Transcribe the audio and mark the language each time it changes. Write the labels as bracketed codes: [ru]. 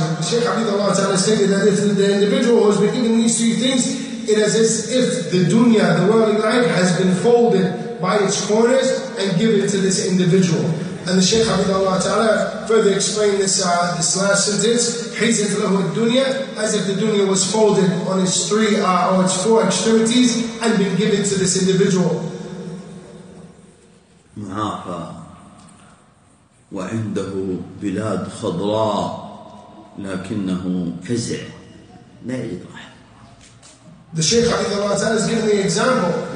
[en] The Shaykh Abid Allah Ta'ala stated that if the individual who has been given these three things, it is as if the dunya, the worldly life, has been folded by its corners and given to this individual. And the Shaykh Abid Allah Ta'ala further explained this last sentence, [ar] حيزت له الدنيا, [en] as if the dunya was folded on its three or its four extremities and been given to this individual. [ar] معافى وعنده بلاد خضراء لكنه فزع لا يضح. [en] The Shaykh Abid Allah Ta'ala has given the example.